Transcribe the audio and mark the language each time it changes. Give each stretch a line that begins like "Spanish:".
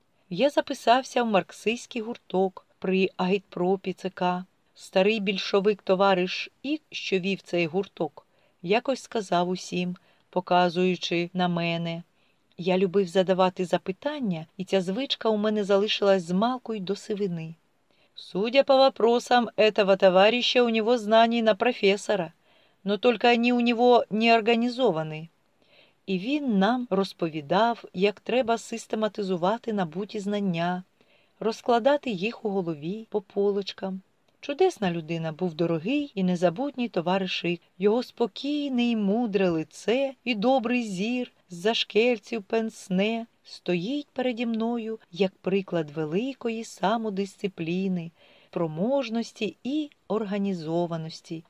Ukrainian: Я записався в марксистський гурток при агітпропі ЦК. Старий більшовик-товариш Ік, що вів цей гурток, якось сказав усім, показуючи на мене. Я любив задавати запитання, і ця звичка у мене залишилась з малкою до сивини.
Russian: «Судя по вопросам этого товарища, у него знаний на професора, но только они у него не організовані».
Ukrainian: І він нам розповідав, як треба систематизувати набуті знання, розкладати їх у голові по полочкам. Чудесна людина був дорогий і незабутній товариш Ік. Його спокійне і мудре лице і добрий зір з-за шкельців пенсне стоїть переді мною як приклад великої самодисципліни, спроможності і організованості.